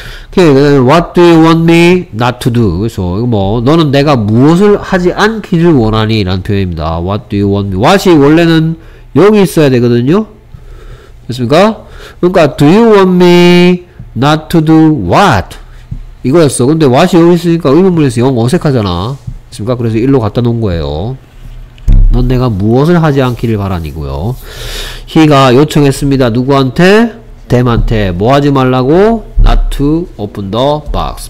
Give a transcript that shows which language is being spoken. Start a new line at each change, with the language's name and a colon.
English: Okay, what do you want me not to do?
Korean: 그래서 이거 뭐 너는 내가 무엇을 하지 않기를 원하니? 라는 표현입니다.
English: What do you want me?
Korean: What이 원래는 여기 있어야 되거든요. 됐습니까? 그러니까
English: do you want me not to do what?
Korean: 이거였어. 근데 what이 여기 있으니까 의문문에서 영 어색하잖아. 됐습니까? 그래서 일로 갖다 놓은 거예요. 넌 내가 무엇을 하지 않기를 바라니고요. He가 요청했습니다. 누구한테? 댐한테 뭐 하지 말라고?
English: Not to open the box.